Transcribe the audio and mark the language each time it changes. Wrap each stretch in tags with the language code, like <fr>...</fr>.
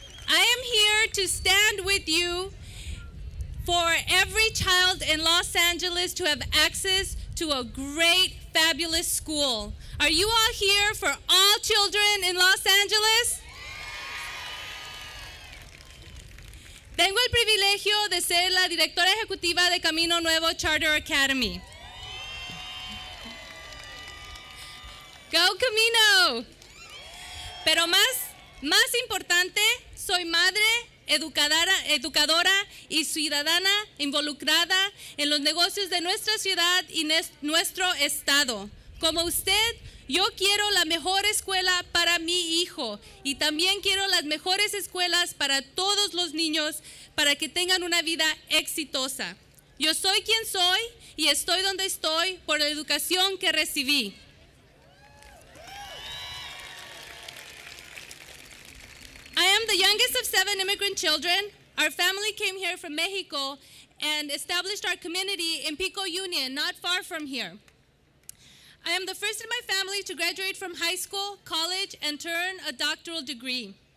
<en>I am here to stand with you for every child in Los Angeles to have access to a great, fabulous school. Are you all here for all children in Los Angeles?</en> <es>Tengo el privilegio de ser la directora ejecutiva de Camino Nuevo Charter Academy.</es> <en>Go Camino!</en> <es>Pero más importante, soy madre, educadora y ciudadana involucrada en los negocios de nuestra ciudad y nuestro estado. Como usted, yo quiero la mejor escuela para mi hijo y también quiero las mejores escuelas para todos los niños para que tengan una vida exitosa. Yo soy quien soy y estoy donde estoy por la educación que recibí.</es> <en>I am the youngest of seven immigrant children. Our family came here from Mexico and established our community in Pico Union, not far from here. I am the first in my family to graduate from high school, college, and earn a doctoral degree.</en>